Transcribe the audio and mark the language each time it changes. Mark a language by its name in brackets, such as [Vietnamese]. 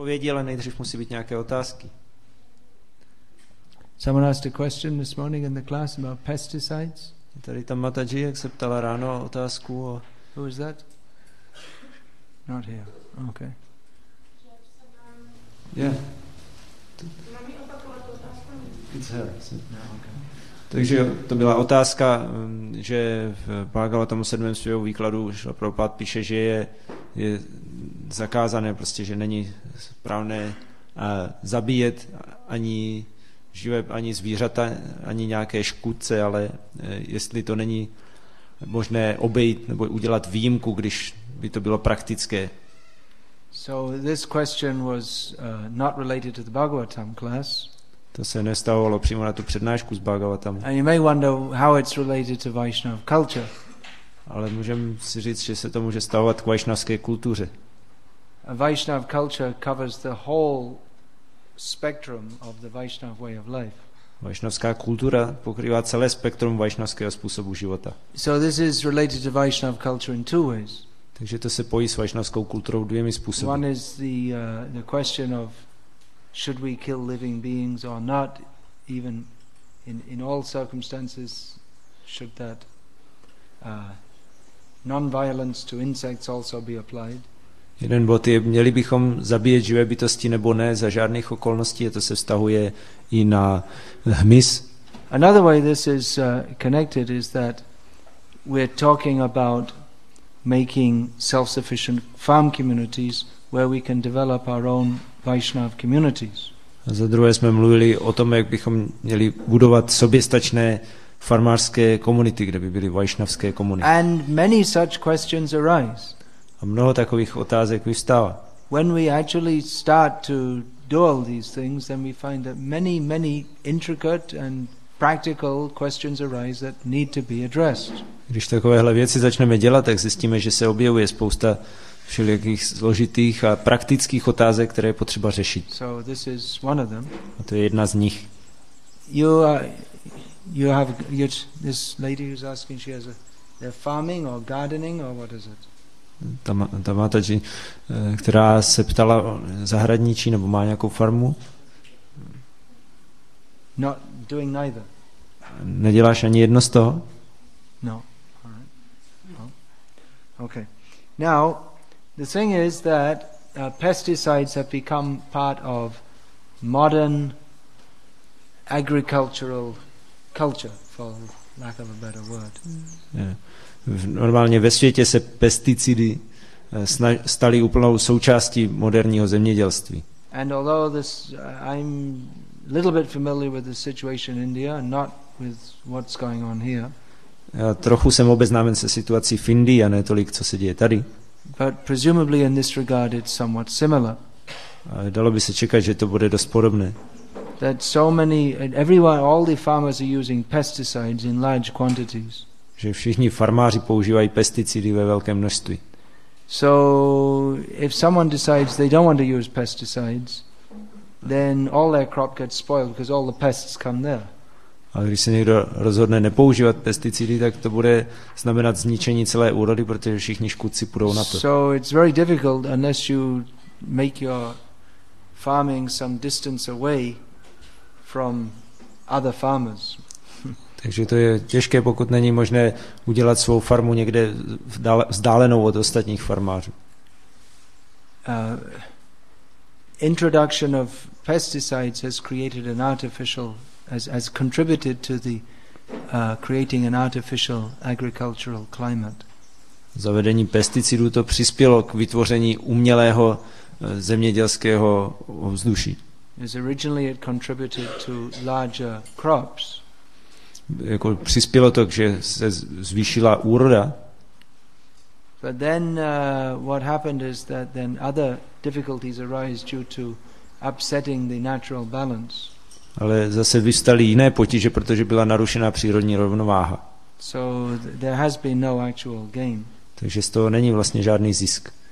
[Czech] Ale nejdřív musí být nějaké otázky. [English] Someone asked a question this morning in the class about pesticides. [Czech] Tady tam Mataji, jak se ptala ráno otázku o... [English] Who is that? Not here. Okay. Yeah. It's her. [Czech] Takže to byla otázka, že v Bhagavatam 7. svého výkladu Šrila Prabhupáda píše, že je zakázané, prostě, že není správné zabíjet ani živé, ani zvířata, ani nějaké škůdce, ale jestli to není možné obejít nebo udělat výjimku, když by to bylo praktické. [English] So this question was not related to the Bhagavatam class. [Czech] To se nestavovalo přímo na tu přednášku z Bhagavatam. [English] And you may wonder how it's related to Vaishnav culture. [Czech] Ale můžeme si říct, že se to může stavovat k vaishnavské kultuře. [English] A Vaishnav culture covers the whole spectrum of the Vaishnav way of life. [Czech] Vaishnavská kultura pokrývá celé spektrum vaishnavského způsobu života. [English] So this is related to Vaishnav culture in two ways. [Czech] Takže to se pojí s vaishnavskou kulturou dvěmi způsoby. [English] One is the question of should we kill living beings or not, even in all circumstances, should that non-violence to insects also be applied? [Czech] Jeden bod je, měli bychom zabíjet živé bytosti nebo ne, za žádných okolností, a to se vztahuje i na hmyz. [English] Another way this is connected is that we're talking about making self-sufficient farm communities where we can develop our own Vaishnav communities. [Czech] A za druhé jsme mluvili o tom, jak bychom měli budovat soběstačné farmářské komunity, kde by byly vaishnavské komunity. [English] And many such questions arise. [Czech] A mnoho takových otázek vyvstává. [English] When we actually start to do all these things, then we find that many, many intricate and practical questions arise that need to be addressed. [Czech] Když takovéhle věci začneme dělat, tak zjistíme, že se objevuje spousta všelijakých složitých a praktických otázek, které je potřeba řešit. [English] So this is one of them. [Czech] A to je jedna z nich. [English] You have this lady who's asking, she has they're farming or gardening or what is it? [Czech] Ta Mataji, která se ptala, zahradničí nebo má nějakou farmu? [English] Not doing neither. [Czech] Neděláš ani jedno z toho? [English] No. All right. Well, okay. Now, the thing is that pesticides have become part of modern agricultural culture, for lack of a better word. [Czech] Normálně ve světě se pesticidy staly úplnou součástí moderního zemědělství. [English] And although this, I'm a little bit familiar with the situation in India, not with what's going on here. [Czech] Já trochu jsem obeznámen se situací v Indii, a ne tolik, co se děje tady. [English] But presumably in this regard it's somewhat similar. [Czech] Dalo by se čekat, že to bude dost podobné. [English] That so many, everyone, all the farmers are using pesticides in large quantities. [Czech] Že všichni farmáři používají pesticidy ve velkém množství. [English] So if someone decides they don't want to use pesticides, then all their crop gets spoiled because all the pests come there. [Czech] A když se někdo rozhodne nepoužívat pesticidy, tak to bude znamenat zničení celé úrody, protože všichni škůdci půjdou na to. [English] So it's very difficult unless you make your farming some distance away from other farmers. [Czech] Takže to je těžké, pokud není možné udělat svou farmu někde vzdálenou od ostatních farmářů. [English] Introduction of pesticides has created an artificial has contributed to the creating an artificial agricultural climate. [Czech] Zavedení pesticidů to přispělo k vytvoření umělého zemědělského ovzduší. [English] As originally it contributed to larger crops. [Czech] Jako přispělo to, že se zvýšila úroda. [English] But then what happened is that then other difficulties arise due to upsetting the natural balance. [Czech] Ale zase vystaly jiné potíže, protože byla narušena přírodní rovnováha. [English] So there has been no actual gain. [Czech] Takže z toho není vlastně žádný zisk.